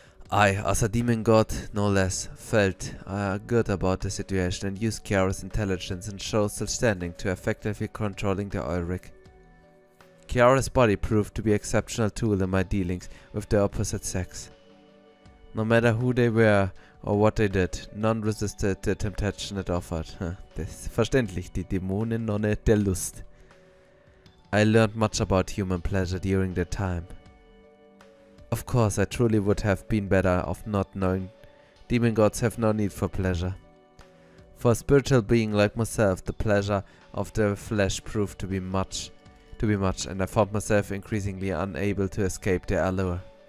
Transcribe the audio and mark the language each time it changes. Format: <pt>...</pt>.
<en>I, as a demon god, no less, felt good about the situation and used Kiara's intelligence and social standing to effectively controlling the Ulrich. Kiara's body proved to be an exceptional tool in my dealings with the opposite sex. No matter who they were, or what they did, none resisted the temptation it offered.</en> <de>Das ist verständlich, die Dämonen-Nonne der Lust.</de> <en>I learned much about human pleasure during that time. Of course, I truly would have been better off not knowing. Demon gods have no need for pleasure. For a spiritual being like myself, the pleasure of the flesh proved to be much, and I found myself increasingly unable to escape their allure.</en>